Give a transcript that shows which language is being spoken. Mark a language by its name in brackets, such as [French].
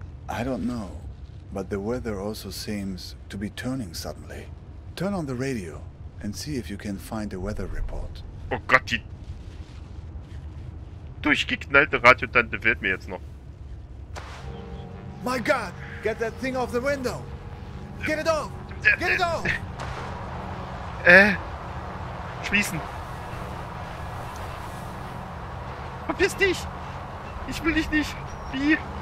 [English] I don't know, but the weather also seems to be turning suddenly. Turn on the radio and see if you can find a weather report. [German] Oh Gott, die durchgeknallte Radiotante fehlt mir jetzt noch. [English] My God, get that thing off the window! Get it off! Get it off! [German] Schließen. Verpiss dich! Ich will dich nicht! Wie?